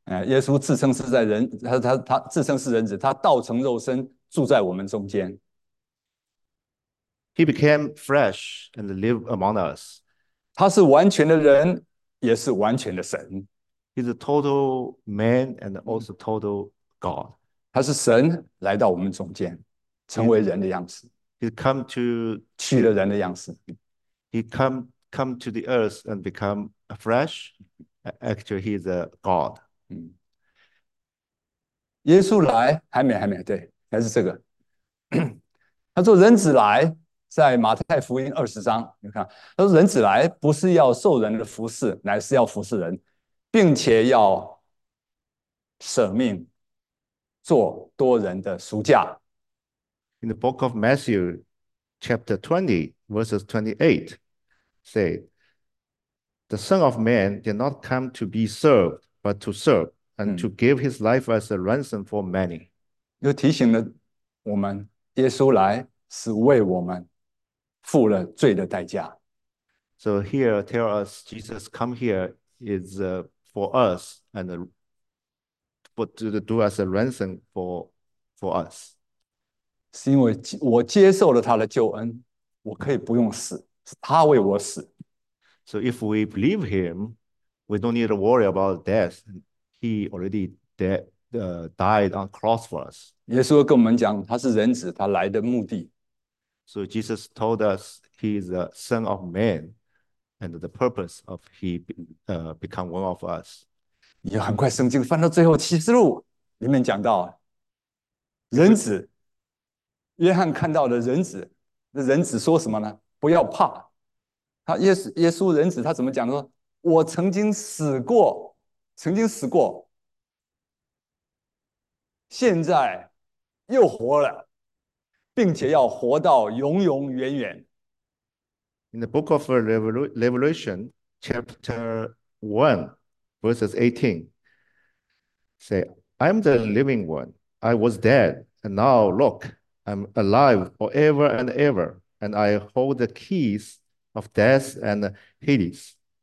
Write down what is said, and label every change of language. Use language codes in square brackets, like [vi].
[zh] 耶稣自称是在人，他自称是人子，他道成肉身住在我们中间。 [en] He became flesh and lived among us. [zh] 他是完全的人，也是完全的神。 [en] He's a total man and also total God. [zh] 他是神来到我们中间，成为人的样子， [en] He come to [zh] 取了人的样子。 [en] he come come to the earth and become a flesh. Actually, he's a God. [zh] 耶稣来还没对，还是这个。他说人子来，在马太福音20章，你看，他说人子来不是要受人的服侍，乃是要服侍人，并且要舍命。做多人的赎价。 [en] In the book of Matthew, chapter 20, verses 28, say, "The Son of Man did not come to be served, but to serve, and to give his life as a ransom for many." [zh] 又提醒了我们，耶稣来是为我们付了罪的代价。 [en] So here tell us Jesus come here is for us and but to do as a ransom for us. [zh] 是因为我接受了他的救恩，我可以不用死，是他为我死。 [en] So if we believe him, we don't need to worry about death. He already died on cross for us. [zh] 耶稣跟我们讲，他是人子，他来的目的。 [en] So Jesus told us he is the Son of Man and the purpose of he become one of us. [zh] 也很快，圣经翻到最后启示录里面讲到， [en] If [zh] 人子。约翰看到了人子，那人子说什么呢？不要怕。他耶稣人子他怎么讲呢？我曾经死过，曾经死过，现在又活了，并且要活到永永远远。 [en] In the book of Revelation, chapter 1, verses 18, say, "I am the living one. I was dead, and now look, I'm alive forever and ever, and I hold the keys of death and Hades."